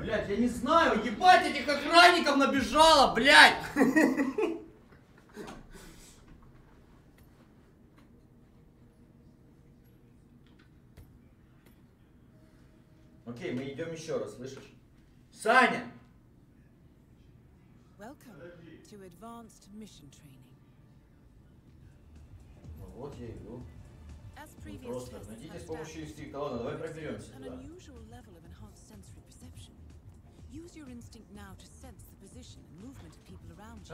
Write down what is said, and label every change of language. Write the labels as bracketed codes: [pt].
[ru] Блядь, я не знаю, ебать этих охранников набежало, блядь! Окей, мы идем еще раз, слышишь? Саня! [en] Welcome to advanced mission training. [ru] Ну вот я иду. Просто найдите с помощью инстинкта. Ладно, давай проберемся. [en] An unusual level of enhanced sensory perception. Use your instinct now to sense the position and movement of people around you.